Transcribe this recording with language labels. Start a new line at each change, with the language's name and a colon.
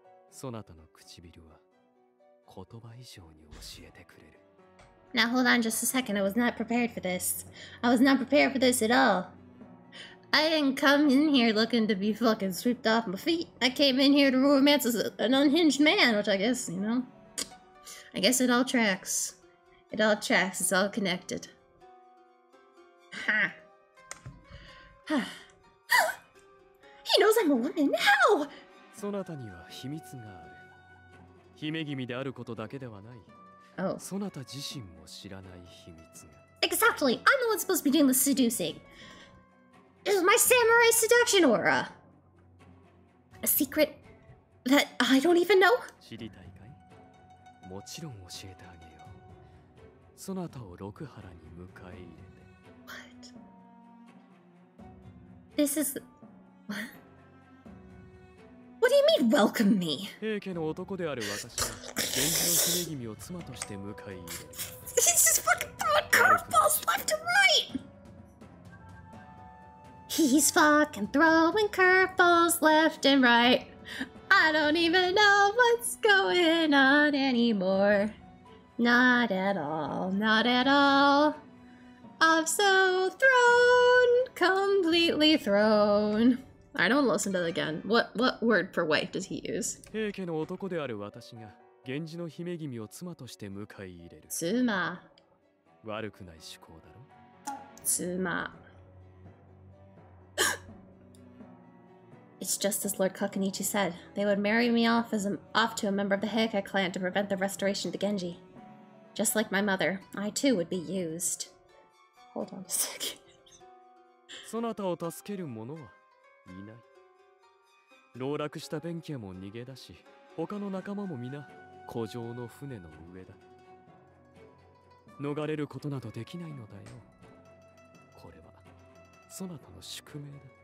Japanese: そなたの唇は言葉以上に教えてくれる。
English: Now hold on just a second. I was not prepared for this. I was not prepared for this at all. I didn't come in here looking to be fucking swept off my feet. I came in here to romance an unhinged man, which I guess, you know. I guess it all tracks. It all tracks. It's all connected. Ha. Ha. He knows I'm a woman. How?
Japanese: そなたには秘密がある。姫君であることだけではない。 Oh. そなた自身も知らない秘密が。
English: Exactly. I'm the one supposed to be doing the seducing. This is my samurai seduction aura. A secret that I don't even know?
Japanese: 知りたいかい？もちろん教えてあげよう。そなたを六原に迎え入れて。
English: What? This is... What? What do you mean, welcome me?
Japanese: 平家の男である私は、源氏の姫君を妻として迎え入れる。
English: He's just fucking throwing curveballs left and right! He's fucking throwing curveballs left and right. I don't even know what's going on anymore. Not at all, not at all. I'm so thrown, completely thrown. I don't listen to that again. What word for wife does he use?
Japanese: 平家の男である私が源氏の姫君を妻として迎え入れる。妻。悪くない思考だろ。つま。
English: It's just as Lord Kakunichi said. They would marry me off as off to a member of the Heike clan to prevent the restoration to Genji. Just like my mother, I too would be used. Hold on a second.
Japanese: そなたを助ける者はいない。狼落した弁慶も逃げ出し、他の仲間も皆、古城の船の上だ。逃れることなどできないのだよ。これは、そなたの宿命だ。